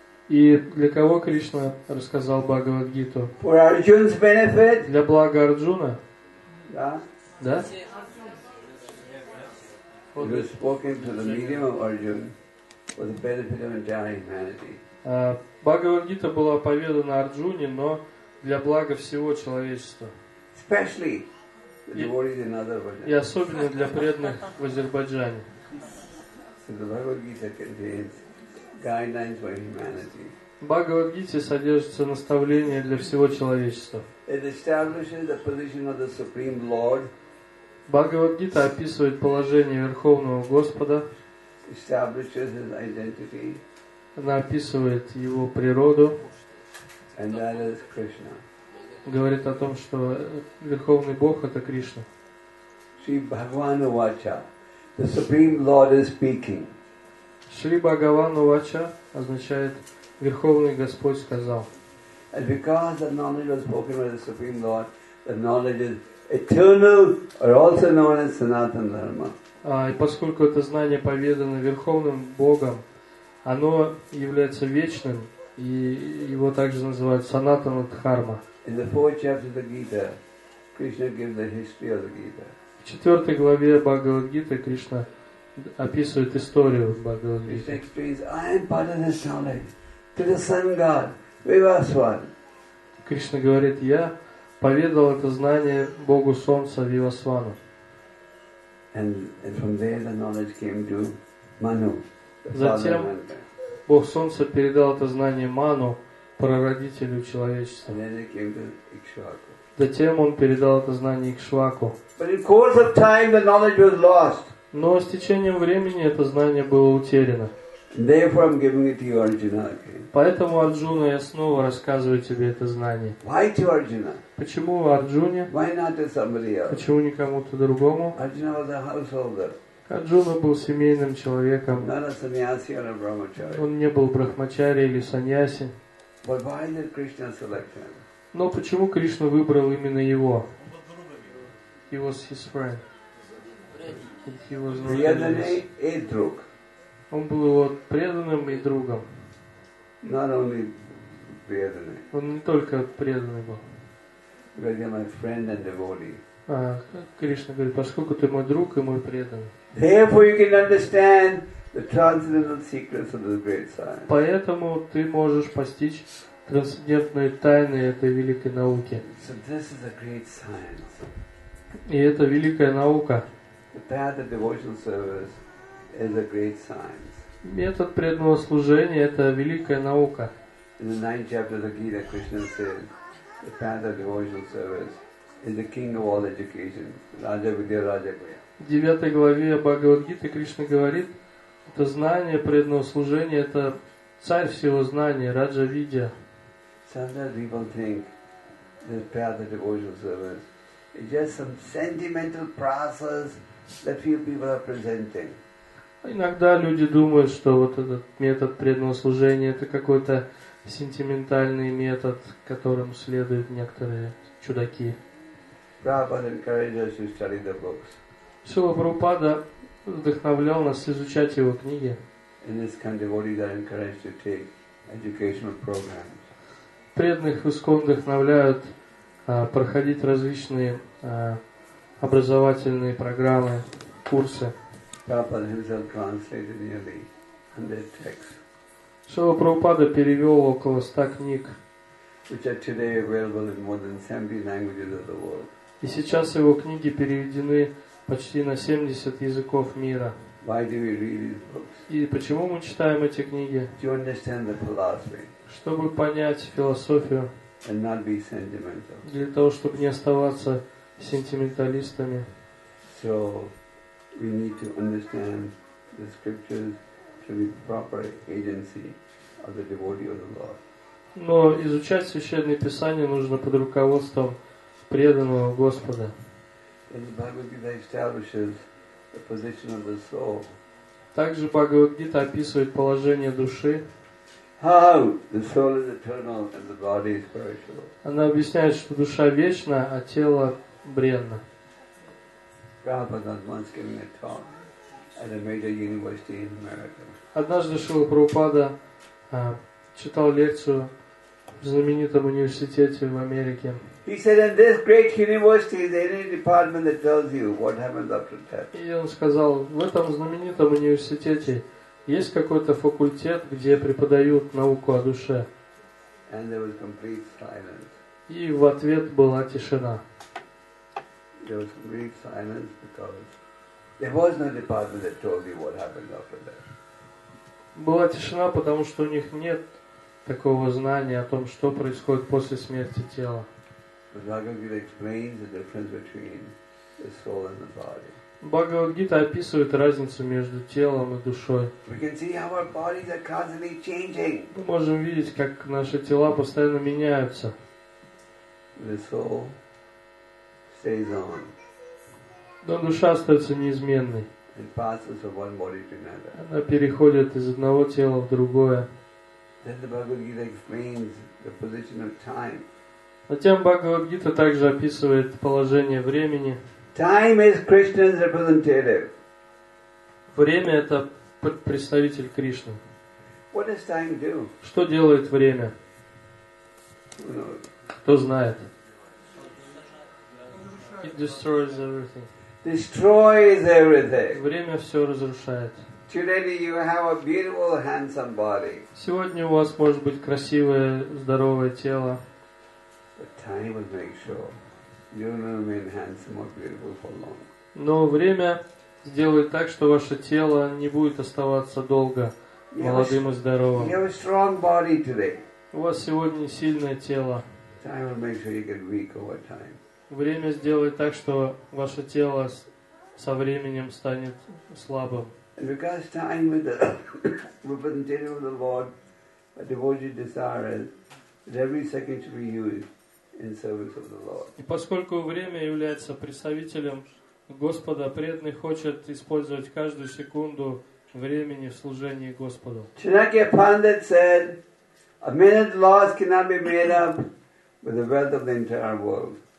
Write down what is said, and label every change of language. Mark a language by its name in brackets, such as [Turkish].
[Russian] И для кого Кришна рассказал Bhagavad Gita? [English] For Arjuna's benefit? [Russian] Для блага Арджуна. Да. Да? [English] It was spoken to the medium of Arjuna for the benefit of entire humanity. [Russian] Бхагавад-гита была поведана Арджуне, но для блага всего человечества. [English] Especially the devotees in Azerbaijan. [Russian] И особенно для преданных в Азербайджане. [English] So the Bhagavad-gita contains guidelines for humanity. [Russian] В Бхагавад-гите содержится наставление для всего человечества. [English] It establishes the position of the Supreme Lord. [Russian] Бхагавад-гита описывает положение Верховного Господа, [English] establishes his identity, [Russian] она описывает его природу, [English] and that is Krishna. [Russian] Говорит о том, что Верховный Бог – это Кришна. [Sanskrit] Shri Bhagavan Uvacha, [English] the Supreme Lord is speaking. [Sanskrit] Shri Bhagavan Uvacha [Russian] означает «Верховный Господь сказал». [English] And because the knowledge was spoken by the Supreme Lord, the knowledge is eternal, or also known as Sanatan Dharma. [Russian] И поскольку это знание поведано Верховным Богом, оно является вечным, и его также называют Sanatana Dharma. [English] In the fourth chapter of the Gita, Krishna gives the history of the Gita. [Russian] В четвертой главе Бхагавад Гиты Кришна описывает историю Бхагавад Гиты. [English] Krishna explains, I am part of this knowledge to the Sun God, Vivaswan. [Russian] Кришна говорит, я поведал это знание Богу Солнца Вивасвану. [English] And from there the knowledge came to Manu. [Russian] Затем Бог Солнца передал это знание Ману, прародителю человечества. [English] And then it came to Ikshvaku. [Russian] Затем он передал это знание Икшваку. [English] But in course of time, the knowledge was lost. [Russian] Но с течением времени это знание было утеряно. [English] Therefore, I'm giving it to you, Arjuna. [Russian] Поэтому, Арджуна, я снова рассказываю тебе это знание. [English] Why to Arjuna? [Russian] Почему Арджуне? [English] Why not to somebody else? [Russian] Почему не кому-то другому? [English] Arjuna was a householder. [Russian] Арджуна был семейным человеком. [English] Not a sannyasi or a brahmachari. [Russian] Он не был брахмачари или саньяси. [English] But why did Krishna select him? [Russian] Но почему Кришна выбрал именно его? [English] He was his friend. He was [Russian] преданный и друг. Он был его преданным и другом. [English] Not only преданный. [Russian] Он не только преданный был. [English] Because you're my friend and devotee. [Russian] А Кришна говорит, поскольку ты мой друг и мой преданный. [English] Therefore you can understand the transcendental secrets of this great science. [Russian] Поэтому ты можешь постичь трансцендентные тайны этой великой науки. [English] So this is a great science. [Russian] И это великая наука. [English] The path of devotional service is a great science. [Russian] Метод преданного служения — это великая наука. [English] In the ninth chapter of the Gita, Krishna says, the path of devotional service is the king of all education. [Sanskrit] Raja Vidya, Raja Vidya. [Russian] В 9 главе Бхагавад-гиты Кришна говорит, это знание преданного служения — это царь всего знания, Раджа Видья. [English] Sometimes people think the path of devotional service is just some sentimental process that few people are presenting. [Russian] Иногда люди думают, что вот этот метод преданного служения — это какой-то сентиментальный метод, которым следуют некоторые чудаки. [English] Prabhupada encouraged us to study the books. [Russian] Шрила Прабхупада вдохновлял нас изучать его книги. [English] In this country, devotees are encouraged to take educational programs. [Russian] Преданных искон вдохновляют проходить различные образовательные программы, курсы. [English] Prabhupada himself translated nearly 100 texts. [Russian] Шрила Прабхупада перевел около 100 книг, [English] which are today available in more than 70 languages of the world. [Russian] И сейчас его книги переведены почти на 70 языков мира. [English] Why do we read these books? [Russian] И почему мы читаем эти книги? [English] To understand the philosophy. [Russian] Чтобы понять философию, [English] and not be sentimental. [Russian] Для того, чтобы не оставаться сентименталистами. [English] So we need to understand the scriptures to be proper agency of the devotee of the Lord. [Russian] Но изучать священные писания нужно под руководством преданного Господа. [English] And the Bhagavad-gita establishes the position of the soul. [Russian] Также Бхагавад-гита описывает положение души. [English] How the soul is eternal and the body is perishable. [Russian] Она объясняет, что душа вечна, а тело бренно. [English] Prabhupada was once giving a talk at a major university in America. [Russian] Однажды Шрила Прабхупада читал лекцию в знаменитом университете в Америке. [English] He said, "In this great university, is there any department that tells you what happens after death?" [Russian] И он сказал, в этом знаменитом университете есть какой-то факультет, где преподают науку о душе? [English] And there was complete silence. [Russian] И в ответ была тишина. [English] There was complete silence because there was no department that told you what happened after death. [Russian] Была тишина, потому что у них нет такого знания о том, что происходит после смерти тела. [English] The Bhagavad-gita explains the difference between the soul and the body. [Russian] Бхагавад-гита описывает разницу между телом и душой. [English] We can see how our bodies are constantly changing. [Russian] Мы можем видеть, как наши тела постоянно меняются. [English] The soul stays on. [Russian] Но душа остается неизменной. [English] It passes from one body to another. [Russian] Она переходит из одного тела в другое. [English] Then the Bhagavad-gita explains the position of time. [Russian] Затем Бхагавад-гита также описывает положение времени. [English] Time is Krishna's representative. [Russian] Время — это представитель Кришны. [English] What does time do? [Russian] Что делает время? [English] No. [Russian] Кто знает? [English] It destroys everything. Destroys everything. [Russian] Время все разрушает. [English] Today you have a beautiful, handsome body. [Russian] Сегодня у вас может быть красивое, здоровое тело. [English] But time will make sure. You will remain handsome or beautiful for long. [Russian] Но время сделает так, что ваше тело не будет оставаться долго молодым и здоровым. [English] You have a strong body today. [Russian] У вас сегодня сильное тело. [English] Time will make sure you get weak over time. [Russian] Время сделает так, что ваше тело со временем станет слабым. [English] And because time with the representative of the Lord, a devotee desires, every second should be used in service of the Lord. [Russian] И поскольку время является представителем Господа, преданный хочет использовать каждую секунду времени в служении Господу. [English] Chanakya Pandit said, a minute lost cannot be made up with the wealth of the entire world.